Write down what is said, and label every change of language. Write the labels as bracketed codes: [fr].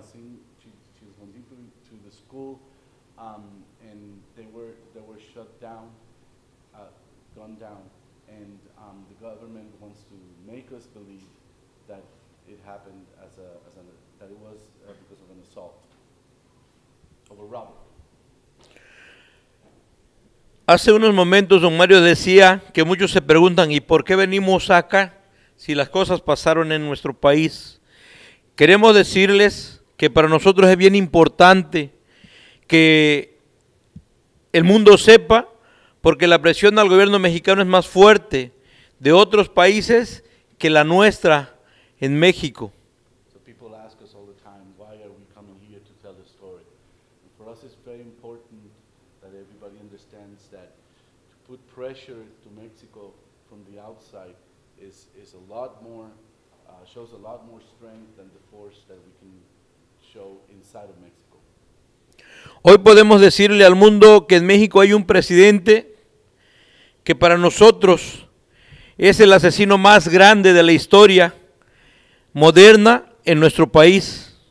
[en] To the school, and they were shut down, gunned down. And the government wants to make us believe that it happened that it was because of an assault of a robber. [es] Hace unos momentos Don Mario decía que muchos se preguntan, ¿y por qué venimos acá si las cosas pasaron en nuestro país? Queremos decirles que para nosotros es bien importante que el mundo sepa, porque la presión al gobierno mexicano es más fuerte de otros países que la nuestra en México. [en] So people ask us all the time, why are we coming here to tell the story? And for us it's very important that everybody understands that to put pressure to Mexico from the outside is a lot more, shows a lot more strength than the force that we can show inside of Mexico. [es] Hoy podemos decirle al mundo que en México hay un presidente que para nosotros es el asesino más grande de la historia moderna en nuestro país.